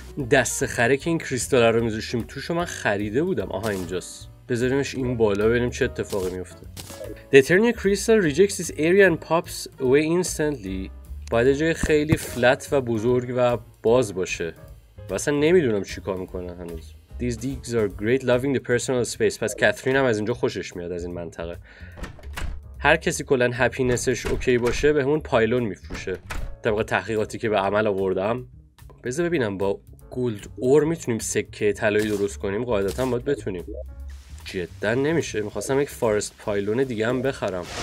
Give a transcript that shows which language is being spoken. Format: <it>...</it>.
<fa>دست خره که این کریستال رو میذاشیم توش رو من خریده بودم. آها اینجاست. بذاریمش این بالا ببینیم چه اتفاقی میفته.</fa> <en>The Eternia Crystal rejects this area and pops away instantly.</en> <fa>باید جای خیلی فلت و بزرگ و باز باشه. واسه نمیدونم چی کار میکنه هنوز.</fa> <en>These digs are great loving the personal space.</en> <fa>پس کاترین هم از اینجا خوشش میاد، از این منطقه. هر کسی کلن هپینسش اوکی باشه به همون پایلون میفروشه. طبق تحقیقاتی که به عمل آوردم. بذار ببینم با گولد اور میتونیم سکه طلایی درست کنیم. قاعدتا باید بتونیم. جدا نمیشه. میخواستم یک فارست پایلون دیگه هم بخرم.</fa>